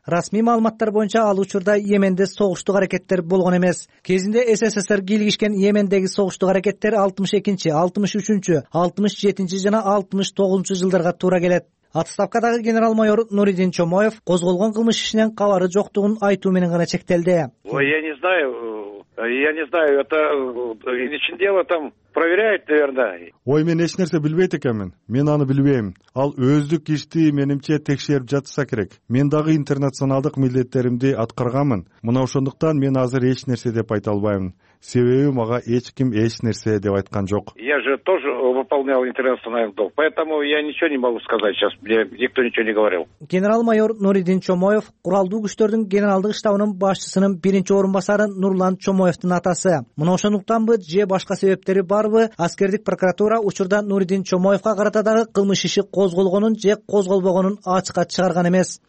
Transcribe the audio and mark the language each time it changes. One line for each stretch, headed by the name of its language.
Kyrgyz: Расмий маалыматтар боюнча ал учурда Йеменде согуштук аракеттер болгон эмес. Кезинде СССР кийлигишкен Йемендеги согуштук аракеттер 62-, 63-, 67-, жана 69-жу жылдарга туура келет. Отставкадагы генерал-майор Нуридин Чомоев козголгон кылмыш ишинен кабары жоктугун айтуу менен гана чектелди.
Russian: Я не знаю, это ничего дело там проверяет, наверное.
Kyrgyz: Ой, мен эч нерсе билбейт экенмин. Мен аны билбейм. Ал өздүк ишти менимче текшерип жатса керек. Мен дагы интернационалдык милдеттеримди аткарганмын. Мына ошондуктан мен азыр эч нерсе деп айта албайм. Себеби мага эч ким эч нерсе деп айткан жок.
Russian: Я же тоже выполнял интернациональный долг, поэтому я ничего не могу сказать сейчас. Мне никто ничего не говорил.
Kyrgyz: Генерал-майор Нуридин Чомоев куралдуу күчтөрдүн генералдык штабынын башчысынын биринчи орун басары Нурлан Чомоевдин атасы. Мына ошондуктанбы же башка себептери барбы, аскердик прокуратура учурда Нуридин Чомоевга карата дагы кылмыш иши козголгонун же козголбогонун ачыкка чыгарган эмес.